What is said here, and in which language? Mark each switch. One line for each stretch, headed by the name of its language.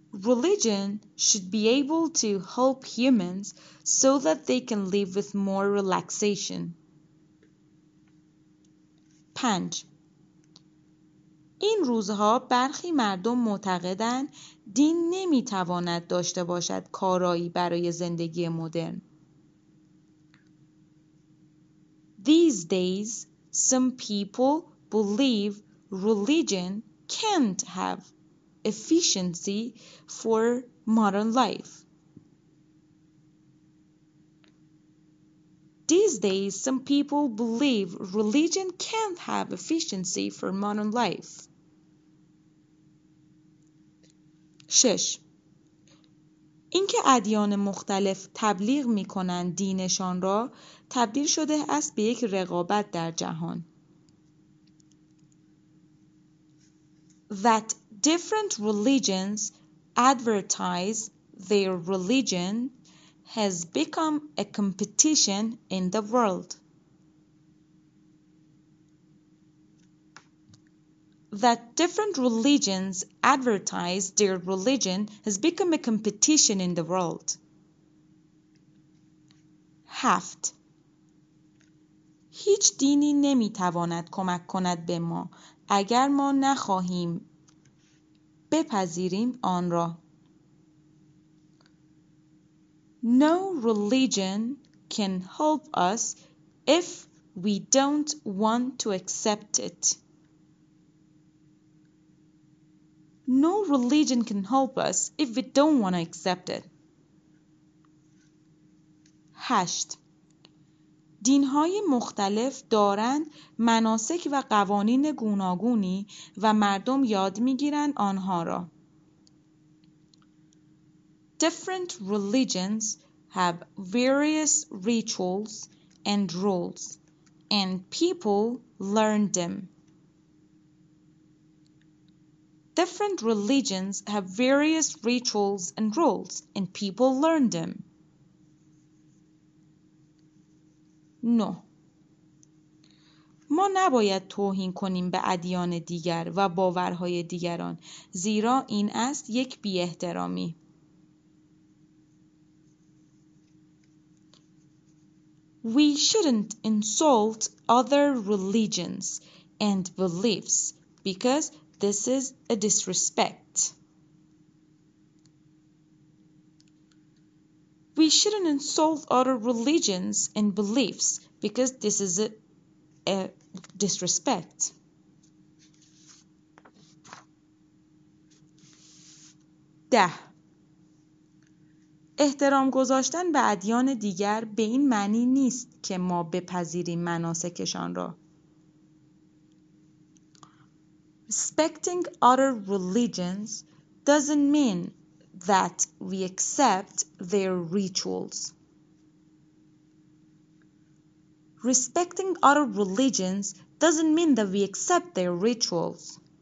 English: Religion should be able to help humans so that they can live with more relaxation. 5.
Persian: این روزها برخی مردم معتقدند دین نمیتواند داشته باشد کارایی برای زندگی مدرن.
English: These days, some people believe religion can't have efficiency for modern life. These days, some people believe religion can't have efficiency for modern life. 6.
Persian: اینکه ادیان مختلف تبلیغ می‌کنند دینشان را تبدیل شده است به یک رقابت در جهان.
English: That different religions advertise their religion has become a competition in the world. That different religions advertise their religion has become a competition in the world. 7.
Persian: هیچ دینی نمیتواند کمک کند به ما اگر ما نخواهیم بپذیریم آن را.
English: No religion can help us if we don't want to accept it. No religion can help us if we don't want to accept it. 8.
Persian: دین‌های مختلف دارند مناسک و قوانین گوناگونی و مردم یاد می‌گیرند آنها را.
English: Different religions have various rituals and rules and people learn them. Different religions have various rituals and rules, and people learn them. 9.
Persian: ما نباید توهین کنیم به ادیان دیگر و باورهای دیگران، زیرا این است یک بی‌احترامی.
English: We shouldn't insult other religions and beliefs because this is a disrespect. We shouldn't insult other religions and beliefs because this is a disrespect.
Persian: ده احترام گذاشتن به ادیان دیگر به این معنی نیست که ما بپذیریم مناسکشان را.
English: Respecting other religions doesn't mean that we accept their rituals. Respecting other religions doesn't mean that we accept their rituals.